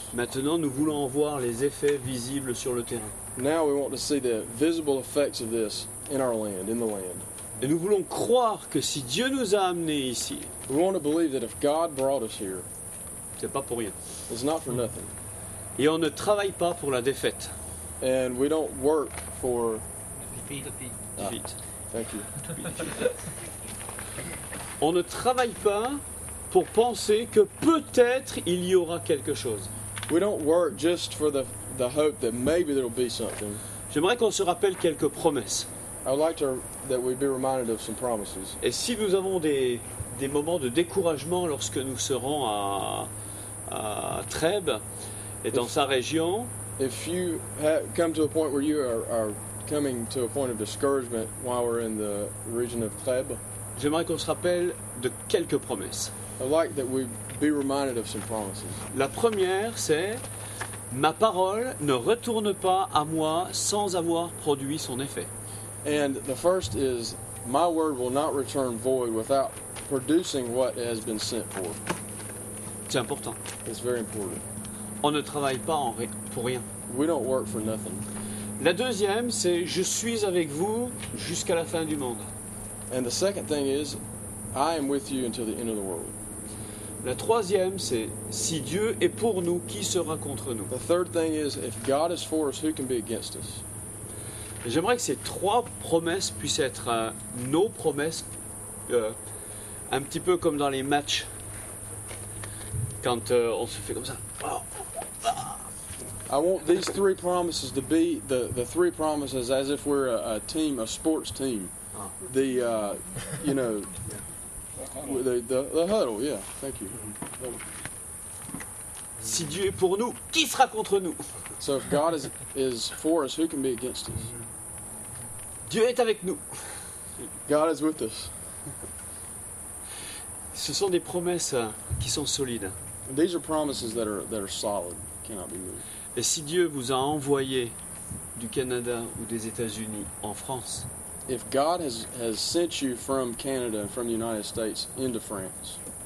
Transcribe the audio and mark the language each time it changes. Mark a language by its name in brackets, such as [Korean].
[French] Maintenant, nous voulons voir les effets visibles sur le terrain. [English] Now we want to see the visible effects of this in our land, in the land. [French] Et nous voulons croire que si Dieu nous a amenés ici, [English] we want to believe that if God brought us here, [French] c'est pas pour rien. [English] It's not for nothing. [French] Et on ne travaille pas pour la défaite. [English] And we don't work for defeat. Thank you. [French] On ne travaille pas pour penser que peut-être il y aura quelque chose. [English] We don't work just for the hope that maybe there'll be something. [French] J'aimerais qu'on se rappelle quelques promesses. [English] I would like that we be reminded of some promises. [French] Et si nous avons des moments de découragement lorsque nous serons à Trèbes et dans sa région, [English] if you come to a point where you are coming to a point of discouragement while we're in the region of Trèbes, [French] j'aimerais qu'on se rappelle de quelques promesses. [English] I'd like that we be reminded of some promises. [French] La première, c'est ma parole ne retourne pas à moi sans avoir produit son effet. [English] And the first is my word will not return void without producing what it has been sent for. [French] C'est important. [English] It's very important. [French] On ne travaille pas pour rien. [English] We don't work for nothing. [French] La deuxième, c'est je suis avec vous jusqu'à la fin du monde. [English] And the second thing is I am with you until the end of the world. [French] La troisième, c'est si Dieu est pour nous, qui sera contre nous? [English] The third thing is if God is for us, who can be against us? [French] J'aimerais que ces trois promesses puissent être nos promesses, un petit peu comme dans les matchs, quand on se fait comme ça. Oh. [English] I want these three promises to be the three promises as if we're a team, a sports team. Ah. The you know. Yeah. The huddle, yeah, thank you. [French] Si Dieu est pour nous, qui sera contre nous? [English] So if God is for us, who can be against us? [French] Dieu est avec nous. [English] God is with us. [French] Ce sont des promesses qui sont solides. [English] These are promises that are solid, cannot be moved. [French] Et si Dieu vous a envoyé du Canada ou des États-Unis en France, [English] if God has sent you from Canada and from the United States into France,